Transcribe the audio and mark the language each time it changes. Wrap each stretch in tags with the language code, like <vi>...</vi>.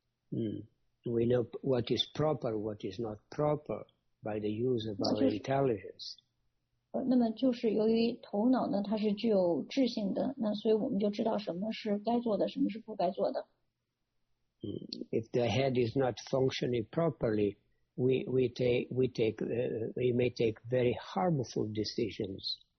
<en>We know what is proper, what is not proper by the use of our intelligence.</en> <zh>那么就是由于头脑呢，它是具有智性的，那所以我们就知道什么是该做的，什么是不该做的。</zh> <en>If the head is not functioning properly, we may take very harmful decisions.</en>